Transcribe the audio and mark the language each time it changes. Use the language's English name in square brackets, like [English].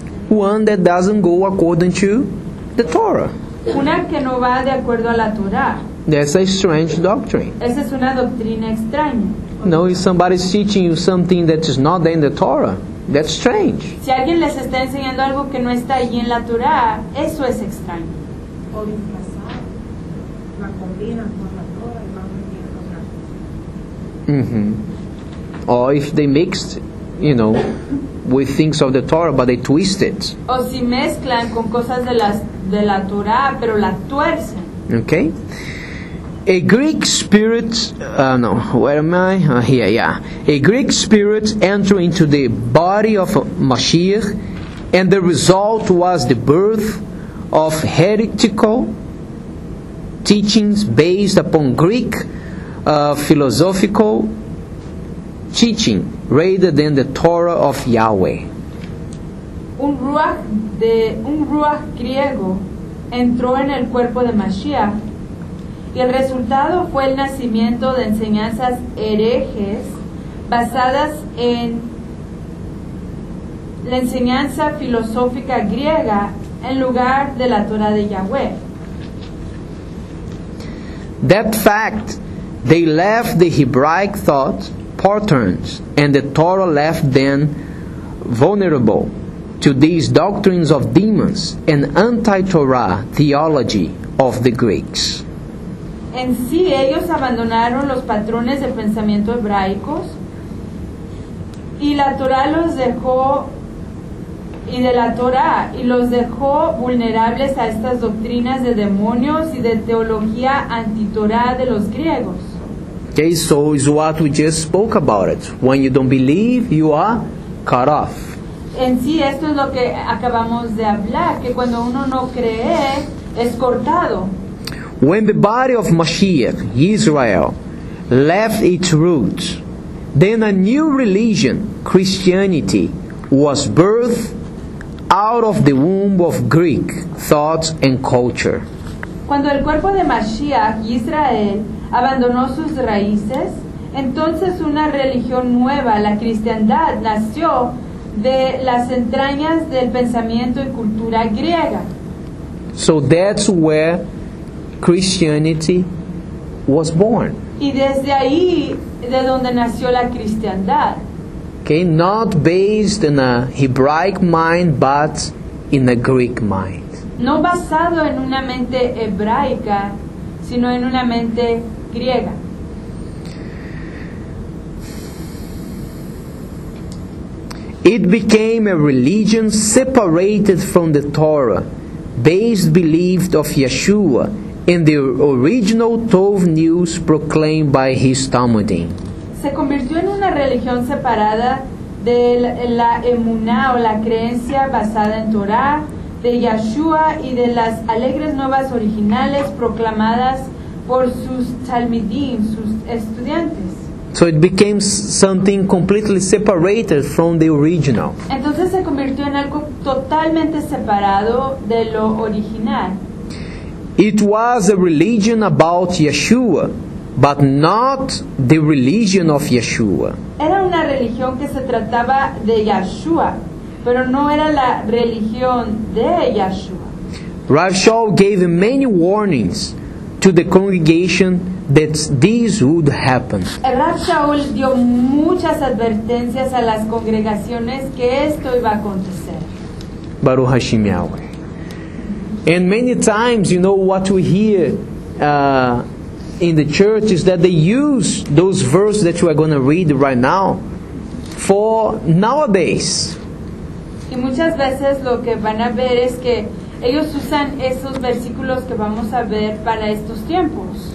[English] One that doesn't go according to the Torah. [Spanish] Una que no va de acuerdo a la Torah. [English] That's a strange doctrine. [Spanish] Esa es una doctrina extraña. [English] No, if somebody is teaching you something that is not in the Torah, that's strange. [Spanish] Si alguien les está enseñando algo que no está allí en la Torah, eso es extraño. [English] Or if they mixed, you know, with things of the Torah, but they twist it. [Spanish] O si mezclan con cosas de la Torah, pero la tuercen. [English] Okay. A Greek spirit, A Greek spirit entered into the body of Mashiach, and the result was the birth of heretical teachings based upon Greek philosophical teaching rather than the Torah of Yahweh. [Spanish] Un ruach griego entró en el cuerpo de Mashiach, y el resultado fue el nacimiento de enseñanzas herejes basadas en la enseñanza filosófica griega en lugar de la Torah de Yahweh. [English] That fact, they left the Hebraic thought patterns, and the Torah left them vulnerable to these doctrines of demons and anti-Torah theology of the Greeks. [Spanish] En sí, ellos abandonaron los patrones de pensamiento hebraicos, y la Torah los dejó vulnerables a estas doctrinas de demonios y de teología anti-Torah de los griegos. [English] Okay, so it's what we just spoke about it. When you don't believe, you are cut off. [Spanish] En sí, esto es lo que acabamos de hablar, que cuando uno no cree, es cortado. [English] When the body of Mashiach, Israel, left its roots, then a new religion, Christianity, was birthed out of the womb of Greek thoughts and culture. [Spanish] Cuando el cuerpo de Mashiach, Israel, abandonó sus raíces, entonces una religión nueva, la cristiandad, nació de las entrañas del pensamiento y cultura griega. [English] So that's where Christianity was born. [Spanish] Y desde ahí de donde nació la cristiandad. [English] Okay, not based in a Hebraic mind, but in a Greek mind. [Spanish] No basado en una mente hebraica, sino en una mente griega. [English] It became a religion separated from the Torah, based belief of Yeshua in the original Tov news proclaimed by his Talmudim. [Spanish] Se convirtió en una religión separada de la emuná o la creencia basada en Torah de Yeshua y de las alegres nuevas originales proclamadas por sus talmidim, sus estudiantes. [English] So it became something completely separated from the original. [Spanish] Entonces se convirtió en algo totalmente separado de lo original. [English] It was a religion about Yeshua, but not the religion of Yeshua. [Spanish] Era una religión que se trataba de Yeshua, pero no era la religión de Yeshua. [English] Rashi gave many warnings to the congregation that this would happen. [Spanish] Rav Shaul dio muchas advertencias a las congregaciones que esto iba a acontecer. [Hebrew] Baruch Hashem Yahweh. [English] And many times, you know, what we hear in the church is that they use those verses that we are going to read right now for nowadays. [Spanish] Y muchas veces lo que van a ver es que ellos usan esos versículos que vamos a ver para estos tiempos.